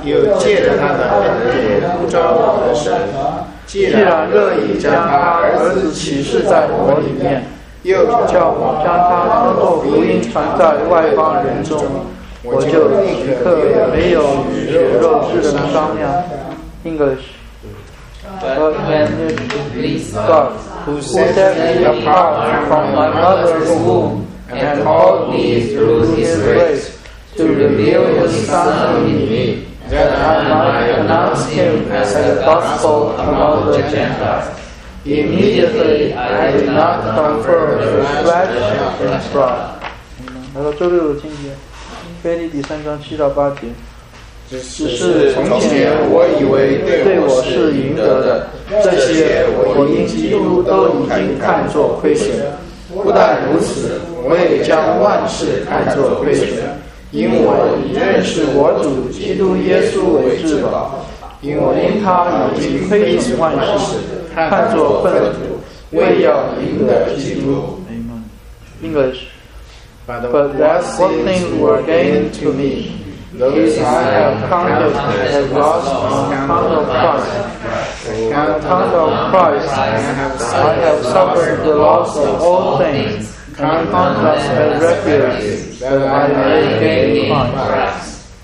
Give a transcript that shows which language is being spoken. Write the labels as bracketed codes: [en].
[zh] 又借着他的恩典呼召我的神，既然乐意将他儿子启示在我里面。又叫我将他通过福音传在外邦人中，我就立刻没有与血肉之人商量。 [en] English. But when God, who set me apart from my mother's womb and called me through His grace to reveal His Son in me, that I might announce Him as the gospel among the Gentiles. Immediately, I did not confirm the flesh and blood. [zh] 来到周六的经节，腓立比三章七到八节。只是从前我以为对我是赢得的，这些我因基督都已经看作亏损。不但如此，我也将万事看作亏损，因我已认识我主基督耶稣为至宝，因他已经亏损万事。看作粪土，为要赢得基督。 [en] Amen. English. But that what things were gained to me, those I have counted as loss on account of Christ. On account of Christ, I have suffered the loss of all things, and count as a refuge that I may gain Christ.